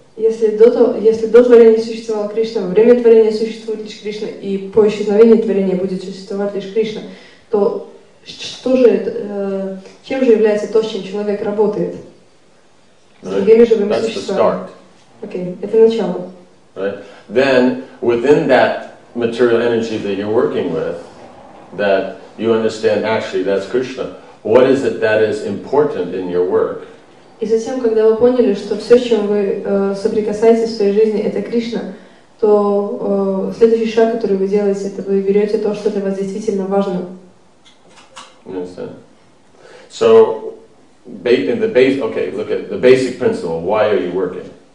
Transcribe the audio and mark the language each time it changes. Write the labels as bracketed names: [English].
[Russian] Если до творения существовала Кришна, во время творения существует лишь Кришна, и по исчезновении творения будет существовать лишь Кришна, то что же это, чем же является то, с чем человек работает? С другими живыми существами. Okay, это начало. [English] Right. Then within that material energy that you're working with, that you understand actually that's Krishna. What is it that is important in your work? [Russian] И затем, когда вы поняли, что все, с чем вы соприкасаетесь в своей жизни, это Кришна, то следующий шаг, который вы делаете, это вы берете то, что для вас действительно важно. [English] Understand? So, look at the basic principle. Why are you working?